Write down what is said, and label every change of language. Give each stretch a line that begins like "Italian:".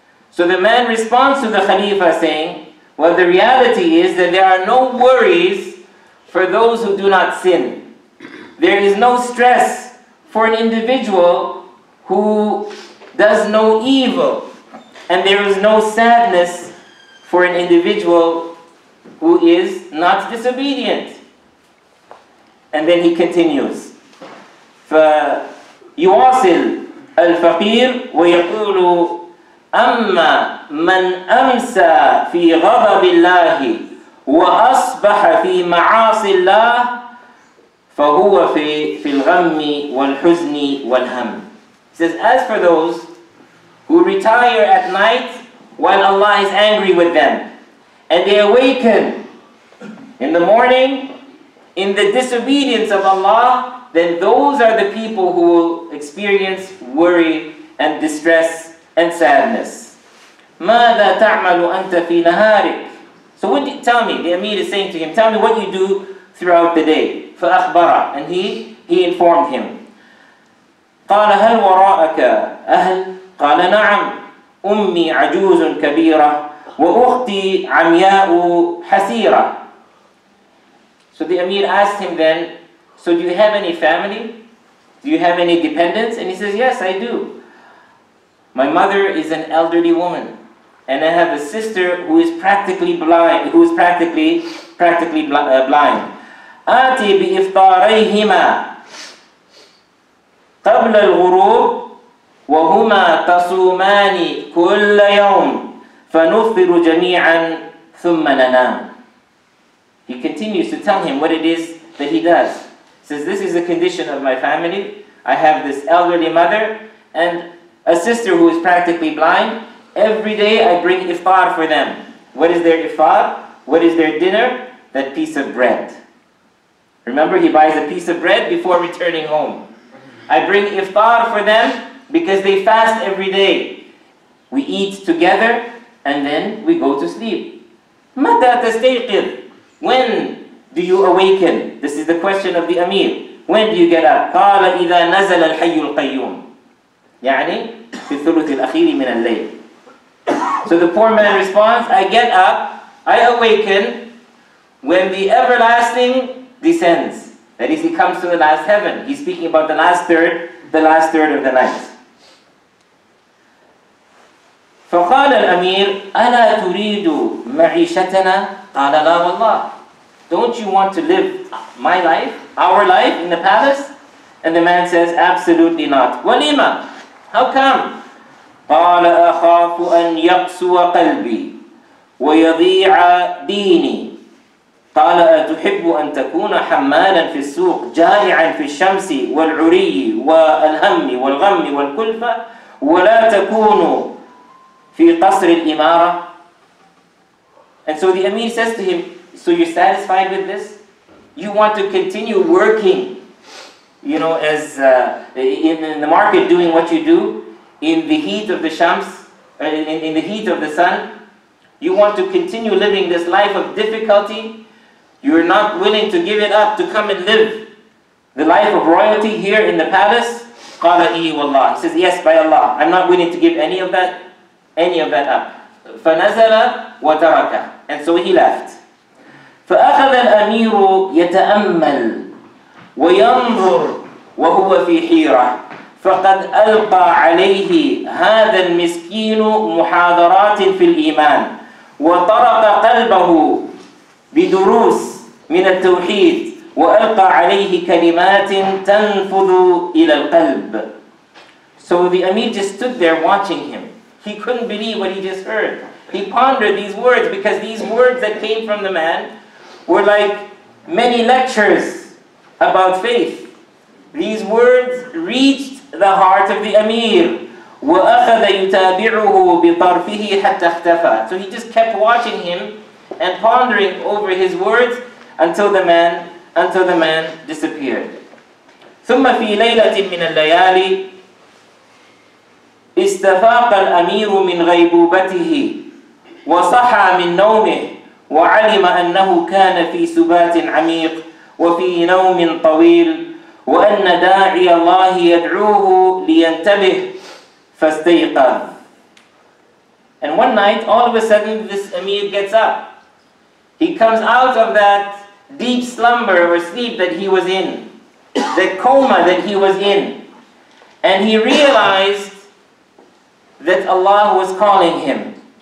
English: So the man responds to the Khalifa saying, well, the reality is that there are no worries for those who do not sin. There is no stress for an individual who does no evil. And there is no sadness for an individual who is not disobedient. And then he continues.
Arabic: فيواصل الفقير ويقول أما من أمسى في غضب الله وأصبح في معاصي الله فهو في الغم والحزن والهم.
English: He says, as for those who retire at night while Allah is angry with them, and they awaken in the morning in the disobedience of Allah, then those are the people who will experience worry and distress and sadness.
Arabic: ماذا تعمل أنت في نهارك?
English: So what do you, tell me, the Amir is saying to him, tell me what you do throughout the day.
Arabic: فأخبره,
English: and he informed him.
Arabic: قال هل وراءك أهل? قال نعم. أمي عجوز كبيرة وأختي عمياء حسيرة.
English: So the Amir asked him then, so do you have any family? Do you have any dependents? And he says, yes, I do. My mother is an elderly woman, and I have a sister who is practically blind. Who is practically blind.
Arabic: آتي بإفطاريهما قبل الغروب وهما تصومان كل يوم فنفطر جميعا ثم ننام.
English: He continues to tell him what it is that he does. He says, this is the condition of my family. I have this elderly mother and a sister who is practically blind. Every day I bring iftar for them. What is their iftar? What is their dinner? That piece of bread. Remember, he buys a piece of bread before returning home. I bring iftar for them because they fast every day. We eat together and then we go to sleep.
Arabic: مَتَى تَسْتَيْقِظ?
English: When do you awaken? This is the question of the Amir. When do you get up?
Arabic: قَالَ إِذَا نَزَلَ الْحَيُّ الْقَيُّومِ يعني في الثلث الأخير من الليل.
English: So the poor man responds, I get up, I awaken when the everlasting descends. That is, he comes to the last heaven. He's speaking about the last third of the night. فَقَالَ الْأَمِيرُ أَلَا تُرِيدُ مَعِيشَتَنَا قَالَ لَا وَاللَّهِ. Don't you want to live my life, our life, in the palace? And the man says, absolutely not.
Arabic: وَلِمَا?
English: How come?
Arabic: قَالَ أَخَافُ أَنْ يَقْسُوَ قَلْبِي وَيَضِيعَ دِينِي. قال أتحب أن تكون حمالا في السوق جارعا في الشمس والعري والهم والغم والكلفة ولا تكون في قصر الإمارة.
English: And so the Amir says to him, so you're satisfied with this? You want to continue working, you know, as in the market, doing what you do in the heat of the shams, in the heat of the sun? You want to continue living this life of difficulty? You're not willing to give it up to come and live the life of royalty here in the palace?
Arabic: قَالَ إِيِّ وَاللَّهِ.
English: He says, yes, by Allah, I'm not willing to give any of that up.
Arabic: فَنَزَلَ وَتَرَكَ.
English: And so he left.
Arabic: فَأَخَذَ الْأَمِيرُ يَتَأَمَّلُ وَيَنْظُرُ وَهُوَ فِي حِيرَةٍ فَقَدْ أَلْقَى عَلَيْهِ هَذَا الْمِسْكِينُ مُحَاضَرَاتٍ فِي الْإِيمَانِ وَطَرَقَ قَلْبَهُ بدروس من التوحيد وألقى عليه كلمات تنفذ إلى القلب.
English: So the Amir just stood there watching him. He couldn't believe what he just heard. He pondered these words, because these words that came from the man were like many lectures about faith. These words reached the heart of the Amir.
Arabic: وأخذ يتابعه بطرفه حتى اختفى.
English: So he just kept watching him and pondering over his words until the man disappeared.
Arabic: ثم في ليلة من الليالي استفاق الأمير من غيبوبته وصحى من نومه وعلم أنه كان في سبات عميق وفي نوم طويل وأن داعي الله يدعوه لينتبه فاستيقظ.
English: And one night, all of a sudden, this Amir gets up. He comes out of that deep slumber or sleep that he was in, that coma that he was in, and he realized that Allah was calling him.